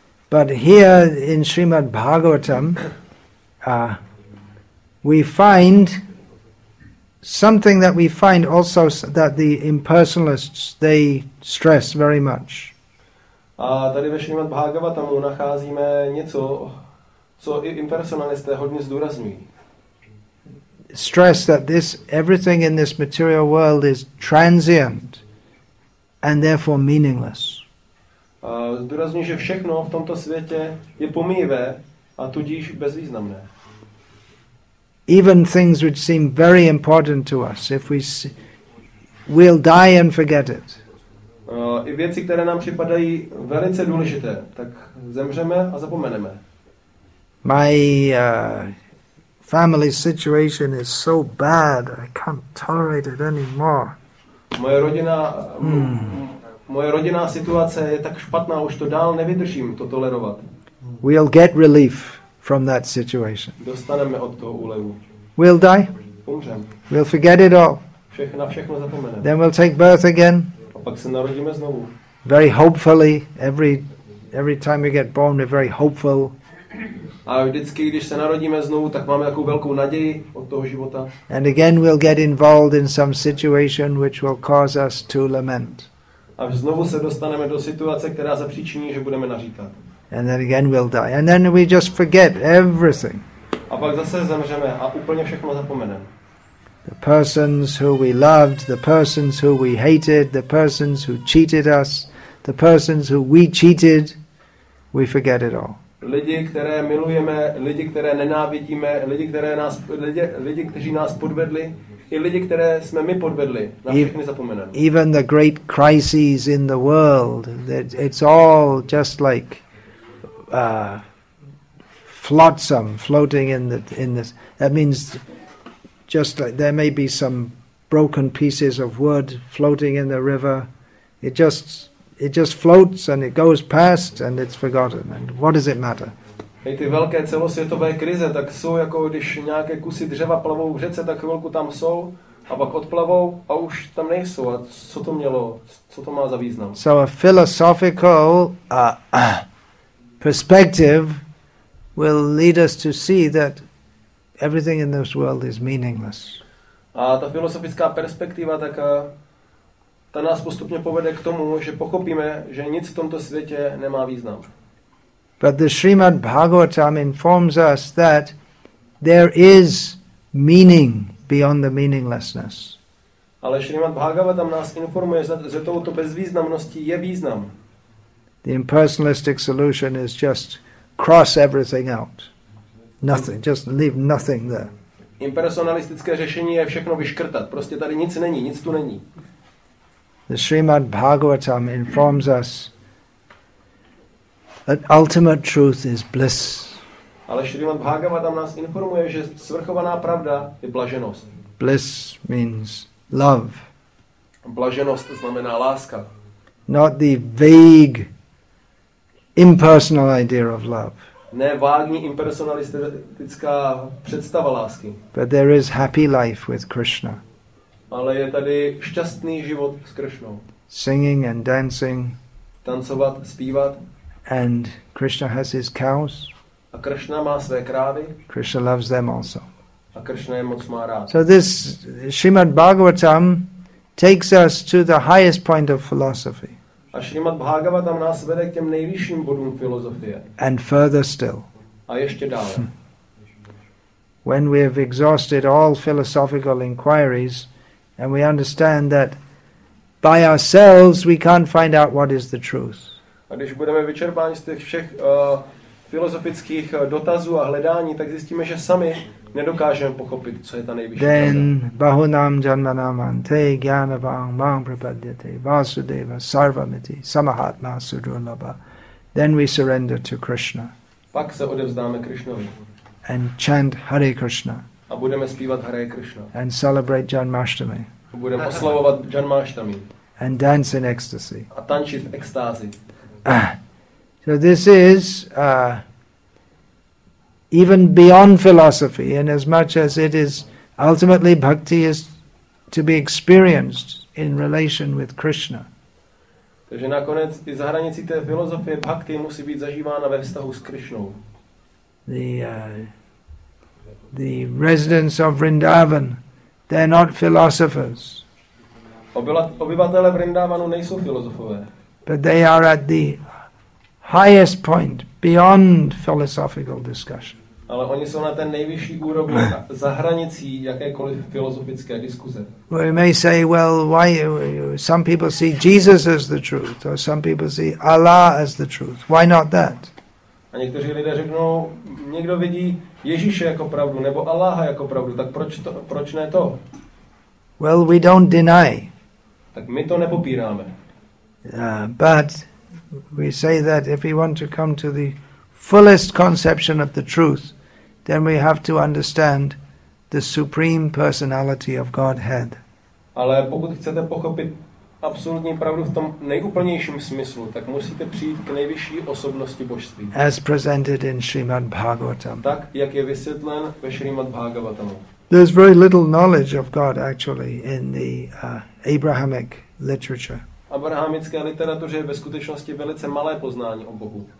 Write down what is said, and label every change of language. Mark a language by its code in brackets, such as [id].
[en] But here in Srimad Bhagavatam, we find something that we find also that the impersonalists, they stress very much. [cs] A tady ve Srimad Bhagavatamu nacházíme něco, co i impersonalisté hodně zdůrazňují. [en] Stress that this everything in this material world is transient and therefore meaningless. [cs] Zdůrazňuji, že všechno v tomto světě je pomíjivé a tudíž bezvýznamné. [en] Even things which seem very important to us, if we we'll die and forget it. [cs] I věci, které nám připadají velice důležité, tak zemřeme a zapomeneme. [en] Family situation is so bad, I can't tolerate it anymore. [cs] Moje rodinná situace je tak špatná, už to dál nevydržím to tolerovat. [en] We'll get relief from that situation. [cs] Dostaneme od toho úlevu. [en] We'll die. [cs] Umřem. [en] We'll forget it all. [cs] Na všechno zapomeneme. [en] Then we'll take birth again. [cs] A pak se narodíme znovu. [en] Very hopefully, every time we get born, we're very hopeful. [cs] A vždycky, když se narodíme znovu, tak máme takovou velkou naději od toho života. [en] And again we'll get involved in some situation which will cause us to lament. [cs] A znovu se dostaneme do situace, která zapříčiní, že budeme naříkat. [en] And then again we'll die. And then we just forget everything. [cs] A pak zase zemřeme a úplně všechno zapomeneme. [en] The persons who we loved, the persons who we hated, the persons who cheated us, the persons who we cheated, we forget it all. [cs] Lidi, které milujeme, lidi, které nenávidíme, lidi, kteří nás podvedli, i lidi, které jsme my podvedli, na všechny zapomeneme. [en] Even the great crises in the world, it's all just like flotsam floating in this. That means just like there may be some broken pieces of wood floating in the river. It just floats and it goes past and it's forgotten. And what does it matter? [cs] i ty velké celosvětové krize, tak jsou jako, když nějaké kusy dřeva plavou v řece, tak chvilku tam jsou, a pak odplavou a už tam nejsou. A co to mělo, co to má za význam? [en] So a philosophical perspective will lead us to see that everything in this world is meaningless. [cs] A ta filosofická perspektiva tak ta nás postupně povede k tomu, že pochopíme, že nic v tomto světě nemá význam. [en] But the Srimad Bhagavatam informs us that there is meaning beyond the meaninglessness. [cs] Ale Srimad Bhagavatam nás informuje, že touto bezvýznamností je význam. [en] The impersonalistic solution is just cross everything out. Nothing, just leave nothing there. [cs] Impersonalistické řešení je všechno vyškrtat. Prostě tady nic není, nic tu není. [en] The Srimad Bhagavatam informs us that ultimate truth is bliss. [cs] Ale Srimad Bhagavatam nás informuje, že svrchovaná pravda je blaženost. [en] Bliss means love. [cs] Blaženost znamená láska. [en] Not the vague impersonal idea of love. [cs] Ne vágní impersonalistická představa lásky. [en] But there is happy life with Krishna. [cs] Ale je tady šťastný život s Krishnou. [en] Singing and dancing. [cs] Tancovat, zpívat. [en] And Krishna has his cows. [cs] A Krishna má své krávy. [en] Krishna loves them also. [cs] A Krishna je moc má rád. [en] So this Srimad Bhagavatam takes us to the highest point of philosophy. [cs] A Srimad Bhagavatam nás vede k těm nejvyšším bodům filozofie. [en] And further still. [cs] A ještě dále. [en] When we have exhausted all philosophical inquiries and we understand that by ourselves we can't find out what is the truth. [cs] A když budeme vyčerpáni z těch všech filozofických dotazů a hledání, tak zjistíme, že sami nedokážeme pochopit, co je ta nejvyšší pravda. [sa] Then bahunam janmanam ante gyanavam mam prapadyate vasudeva sarvamiti samahatma sudurlabha. [en] Then we surrender to Krishna. [cs] Pak se odevzdáme Krishnovi. [en] And chant Hare Krishna. [cs] A budeme zpívat Hare Krishna. [en] And celebrate Janmashtami. [cs] A budeme oslavovat Janmashtami. [en] And dance in ecstasy. [cs] A tančit v extázi. [en] So this is even beyond philosophy, in as much as it is ultimately bhakti is to be experienced in relation with Krishna. [cs] Takže nakonec i za hranicí té filozofie bhakti musí být zažívána ve vztahu s Krishnou. [en] The residents of Vrindavan, they're not philosophers. [cs] Obyvatelé Vrindavanu nejsou filozofové. [en] But they are at the highest point beyond philosophical discussion. [cs] Ale oni jsou na ten nejvyšší úrovni za hranicí jakékoliv filozofické diskuze. [en] Well, you may say, well, why some people see Jesus as the truth, or some people see Allah as the truth. Why not that? [cs] A někteří lidé řeknou, někdo vidí Ježíše jako pravdu nebo Alláha jako pravdu, tak proč ne to? [en] Well, we don't deny. [cs] Tak my to nepopíráme. [en] But we say that if we want to come to the fullest conception of the truth, then we have to understand the Supreme Personality of Godhead. [cs] Ale pokud chcete pochopit absolutní pravdu v tom nejúplnějším smyslu, tak musíte přijít k nejvyšší osobnosti božství. [en] As presented in Srimad Bhagavatam. [cs] Tak, jak je vysvětlen ve Srimad Bhagavatamu. [en] There's very little knowledge of God actually in the Abrahamic literature. [cs] Abrahamické literatuře je ve skutečnosti velice malé poznání o Bohu.